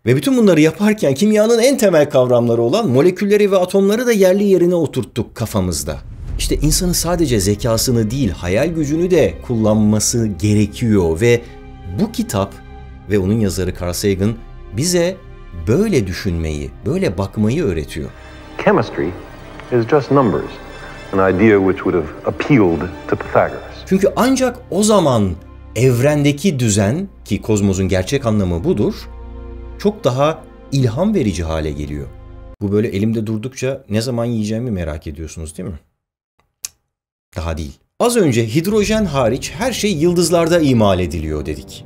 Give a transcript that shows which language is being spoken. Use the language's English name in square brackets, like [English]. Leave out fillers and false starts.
[Turkish] Ve bütün bunları yaparken kimyanın en temel kavramları olan molekülleri ve atomları da yerli yerine oturttuk kafamızda. İşte insanın sadece zekasını değil, hayal gücünü de kullanması gerekiyor. Ve bu kitap ve onun yazarı Carl Sagan bize böyle düşünmeyi, böyle bakmayı öğretiyor. [English] Chemistry is just numbers. An idea which would have appealed to Pythagoras. [Turkish] Çünkü ancak o zaman evrendeki düzen, ki kozmosun gerçek anlamı budur, çok daha ilham verici hale geliyor. Bu böyle elimde durdukça ne zaman yiyeceğimi merak ediyorsunuz değil mi? Daha değil. Az önce hidrojen hariç her şey yıldızlarda imal ediliyor dedik.